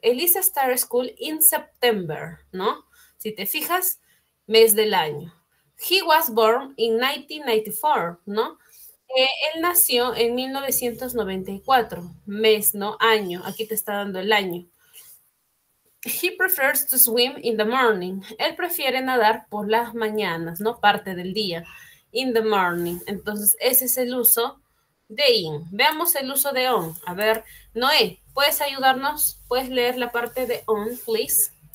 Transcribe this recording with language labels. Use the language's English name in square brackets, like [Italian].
[English] Elisa starts school in September, [Spanish] ¿no? Si te fijas, mes del año. [English] He was born in 1994, [Spanish] ¿no? Él nació en 1994, mes, ¿no? Año. Aquí te está dando el año. [English] He prefers to swim in the morning. [Spanish] Él prefiere nadar por las mañanas, ¿no? Parte del día. [English] In the morning. [Spanish] Entonces, ese es el uso de in. Veamos el uso de on. A ver, Noé, ¿puedes ayudarnos? ¿Puedes leer la parte de on, please?